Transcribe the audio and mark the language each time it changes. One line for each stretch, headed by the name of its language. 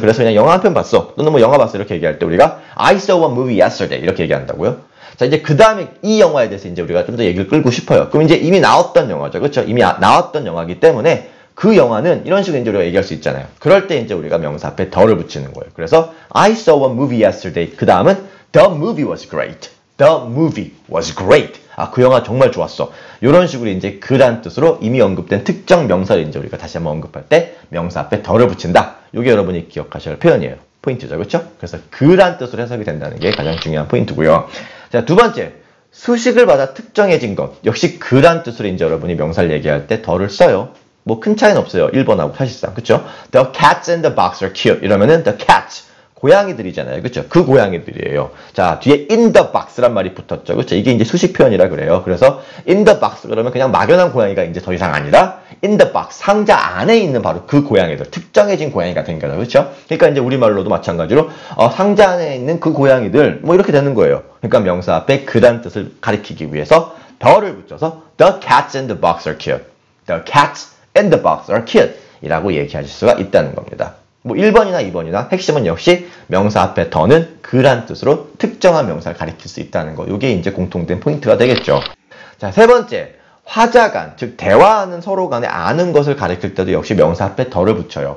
Korean: 그래서 그냥 영화 한 편 봤어. 너는 뭐 영화 봤어. 이렇게 얘기할 때 우리가
English: I saw a movie yesterday.
Korean: 이렇게 얘기한다고요. 자, 이제 그 다음에 이 영화에 대해서 이제 우리가 좀 더 얘기를 끌고 싶어요. 그럼 이제 이미 나왔던 영화죠. 그쵸? 이미 나왔던 영화이기 때문에 그 영화는 이런 식으로 이제 우리가 얘기할 수 있잖아요. 그럴 때 이제 우리가 명사 앞에 더를 붙이는 거예요.
English: 그래서 I saw a movie yesterday.
Korean: 그 다음은
English: The movie was great. The movie was great.
Korean: 아, 그 영화 정말 좋았어. 이런 식으로 이제 그란 뜻으로 이미 언급된 특정 명사를 이제 우리가 다시 한번 언급할 때 명사 앞에 덜을 붙인다. 이게 여러분이 기억하셔야 할 표현이에요. 포인트죠, 그렇죠? 그래서 그란 뜻으로 해석이 된다는 게 가장 중요한 포인트고요. 자, 두 번째, 수식을 받아 특정해진 것. 역시 그란 뜻으로 이제 여러분이 명사를 얘기할 때 덜을 써요. 뭐 큰 차이는 없어요. 1번하고 사실상, 그렇죠?
English: The cats in the box are cute.
Korean: 이러면은
English: the cats.
Korean: 고양이들이잖아요. 그쵸? 그 고양이들이에요. 자, 뒤에
English: in the box
Korean: 란 말이 붙었죠. 그쵸? 이게 이제 수식 표현이라 그래요. 그래서
English: in the box
Korean: 그러면 그냥 막연한 고양이가 이제 더 이상 아니라 in the box, 상자 안에 있는 바로 그 고양이들, 특정해진 고양이가 된 거죠. 그쵸? 그러니까 이제 우리말로도 마찬가지로 상자 안에 있는 그 고양이들 뭐 이렇게 되는 거예요. 그러니까 명사 앞에 그란 뜻을 가리키기 위해서 the를 붙여서
English: the cats in the box are cute. The cats in the box are cute.
Korean: 이라고 얘기하실 수가 있다는 겁니다. 뭐 1번이나 2번이나 핵심은 역시 명사 앞에 더는 그란 뜻으로 특정한 명사를 가리킬 수 있다는 거. 이게 이제 공통된 포인트가 되겠죠. 자, 세 번째, 화자 간, 즉 대화하는 서로 간에 아는 것을 가리킬 때도 역시 명사 앞에 더를 붙여요.